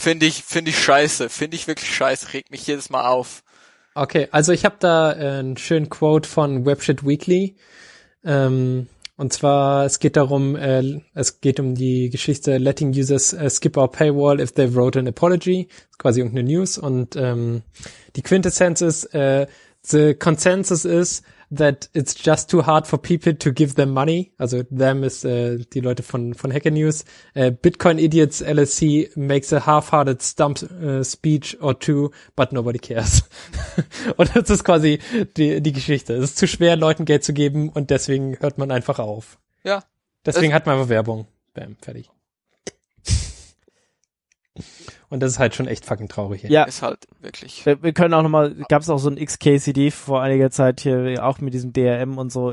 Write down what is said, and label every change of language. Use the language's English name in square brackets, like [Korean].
[German] Finde ich scheiße, finde ich wirklich scheiße, regt mich jedes Mal auf. Okay, also ich habe da einen schönen Quote von Webshit Weekly. Und zwar, es geht darum, es geht um die Geschichte [English] Letting Users Skip Our Paywall If They Wrote an Apology. [German] Das ist quasi irgendeine News. Und die Quintessenz ist, [English] the consensus is that it's just too hard for people to give them money. [German] Also them is die Leute von Hacker News. [English] Bitcoin Idiots LLC makes a half-hearted stump speech or two, but nobody cares. [German] Und das ist quasi die Geschichte. Es ist zu schwer, Leuten Geld zu geben und deswegen hört man einfach auf. Ja. Deswegen hat man einfach Werbung. Bam, fertig. Und das ist halt schon echt fucking traurig. Ja, ist halt wirklich. Wir können auch nochmal, gab es auch so ein XKCD vor einiger Zeit hier, auch mit diesem DRM und so.